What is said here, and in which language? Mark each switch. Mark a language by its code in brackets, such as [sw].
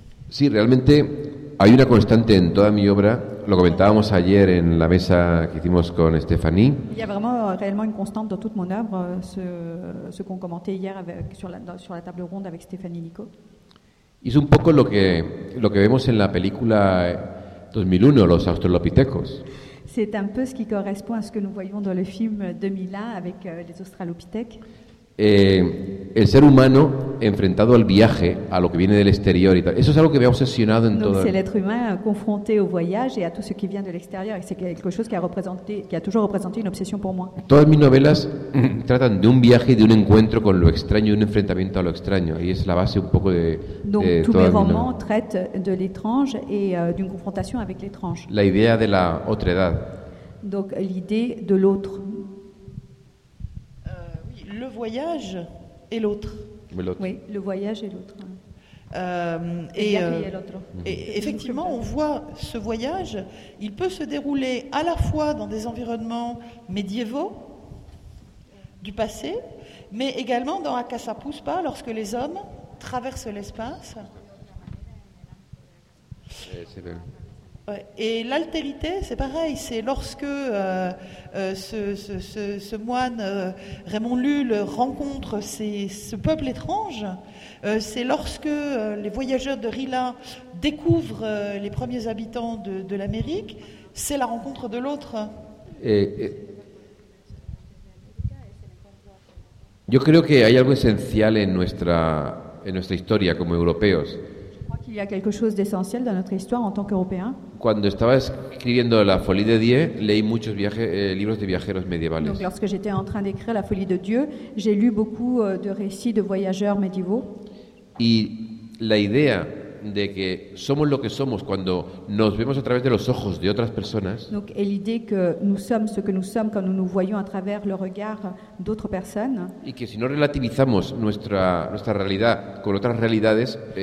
[es] Sí, realmente hay una constante en toda mi obra. Lo comentábamos ayer en la mesa que hicimos con Stéphanie. [fr] Il y a vraiment réellement une constante dans toute mon œuvre, ce qu'on commentait hier sur la table ronde avec Stéphanie Nico. [es] Es un poco lo que vemos en la película 2001, los australopithecus. [fr] C'est un peu ce qui correspond à ce que nous voyons dans le film 2001 avec les australopithèques. [es] El ser humano enfrentado al viaje, a lo que viene del exterior y tal. Eso es algo que me ha obsesionado en todo. [fr] C'est l'être humain confronté au voyage et à tout ce qui vient de l'extérieur, et c'est quelque chose qui a toujours représenté une obsession pour moi. [es] Todas mis novelas tratan de un viaje y de un encuentro con lo extraño, de un enfrentamiento a lo extraño, y es la base un poco de todo. [fr] Donc tous mes romans traitent de l'étrange et d'une confrontation avec l'étrange. [es] La idea de la otredad. [fr] Donc l'idée de l'autre. Le voyage et l'autre. Oui, le voyage et l'autre. Et effectivement, on voit ce voyage, il peut se dérouler à la fois dans des environnements médiévaux du passé, mais également dans Akasapuspa, lorsque les hommes traversent l'espace. C'est bien. Et l'altérité, c'est pareil, c'est lorsque ce moine Raymond Lull rencontre ce peuple étrange, c'est lorsque les voyageurs de Rila découvrent les premiers habitants de l'Amérique, c'est la rencontre de l'autre. [es] Yo creo que hay algo esencial en nuestra historia como europeos. [fr] Il y a quelque chose d'essentiel dans notre histoire en tant qu'européen. [es] Cuando estaba escribiendo La Folie de Dieu, leí muchos libros de viajeros medievales. [fr] Donc, lorsque j'étais en train d'écrire La Folie de Dieu, j'ai lu beaucoup de récits de voyageurs médiévaux. [es] Y la idea de que somos lo que somos cuando nos vemos a través de los ojos de otras personas. [fr] Donc, et l'idée que nous sommes ce que nous sommes quand nous nous voyons à travers le regard d'autres personnes. [es] Y que si no relativizamos nuestra realidad con otras realidades.